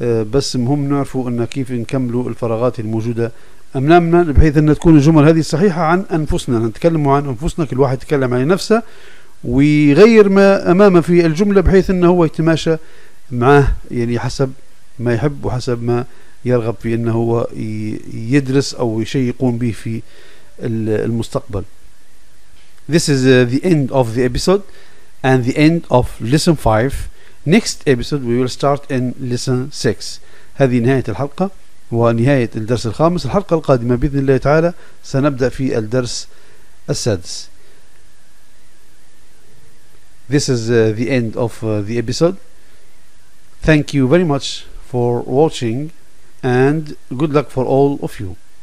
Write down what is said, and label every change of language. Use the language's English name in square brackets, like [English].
[Arabic] بس مهم نعرفوا ان كيف نكملوا الفراغات الموجودة امامنا بحيث ان تكون الجمل هذه صحيحة عن انفسنا نتكلم عن انفسنا كل واحد يتكلم عن نفسه ويغير ما امامه في الجملة بحيث انه هو يتماشى معه يعني حسب ما يحب وحسب ما يرغب في أنه هو يدرس أو شيء يقوم به في المستقبل. [English] This is the end of the episode and the end of lesson 5. Next episode we will start in lesson 6. [Arabic] هذه نهاية الحلقة ونهاية الدرس الخامس. الحلقة القادمة بإذن الله تعالى سنبدأ في الدرس السادس. [English] This is the end of the episode. Thank you very much for watching. And good luck for all of you.